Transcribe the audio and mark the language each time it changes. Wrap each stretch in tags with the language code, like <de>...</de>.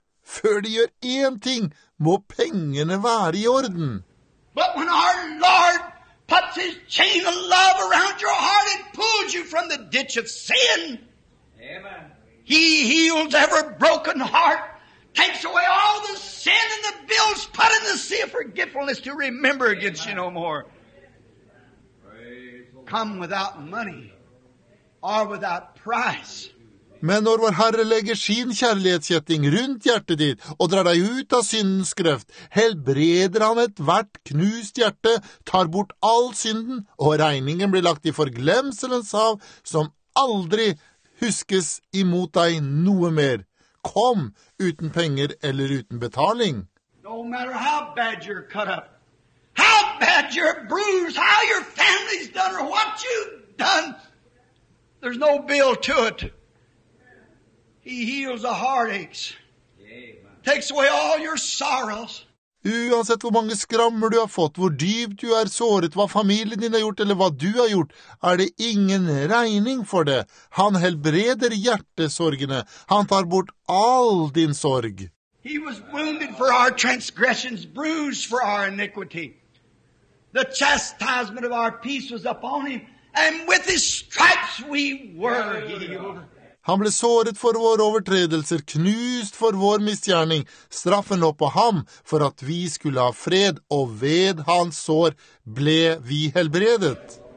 <no>Før de gjør én ting, må pengene være i orden.</no> <en>But when our Lord puts his chain of love around your heart and pulls you from the ditch of sin. Amen. He heals every broken heart, takes away all the sin and the bills put in the sea of forgetfulness to remember against you no more. Come without money or without price.</en> <no>Men når vår Herre legger sin kjærlighetskjetting rundt hjertet ditt og drar deg ut av syndens grøft, helbreder han et hvert knust hjerte, tar bort all synden, og regningen blir lagt i forglemselens hav som aldri huskes imot deg noe mer. Kom uten penger eller uten betaling.</no> <en>No matter how bad you're cut up, how bad you're bruised, how your family's done or what you've done, there's no bill to it. He heals the heartaches, takes away all your sorrows.</en> <no>Uansett hvor mange skrammer du har fått, hvor dypt du er såret, hva familien din har gjort eller hva du har gjort, er det ingen regning for det. Han helbreder hjertesorgene. Han tar bort all din sorg.</no> <en>He was wounded for our transgressions, bruised for our iniquity. The chastisement of our peace was upon him, and with his stripes we were healed.</en> <no>Han ble såret for våre overtredelser, knust for vår misgjerning. Straffen lå på ham for at vi skulle ha fred, og ved hans sår ble vi helbredet.</no>